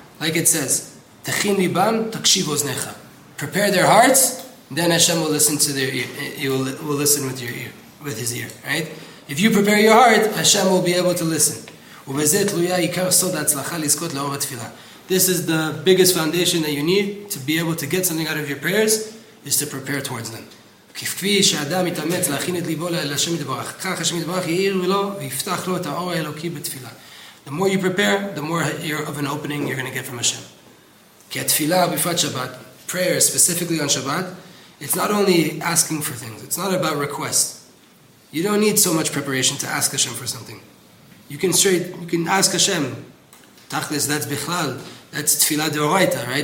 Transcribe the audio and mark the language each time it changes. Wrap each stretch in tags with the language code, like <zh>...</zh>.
<en>Like it says,</en> <he>Techin libam, takshiv oznecha.</he> <en>Prepare their hearts, then Hashem will listen to their ear. He will listen with your ear, with his ear, right? If you prepare your heart, Hashem will be able to listen. This is the biggest foundation that you need to be able to get something out of your prayers, is to prepare towards them.</en> <he>כפי שאדם יתאמץ להכין את ליבו להשם יתברך, כך השם יתברך יאיר לו ויפתח לו את האור האלוקי בתפילה.</he> <en>The more you prepare, the more you're of an opening you're going to get from Hashem.</en> <he>כי התפילה בפרט שבת,</he> <en>prayer specifically on Shabbat, it's not only asking for things, it's not about requests. You don't need so much preparation to ask Hashem for something. You can ask Hashem, תכלס, that's בכלל, that's tefillah d'oraita, right?</en>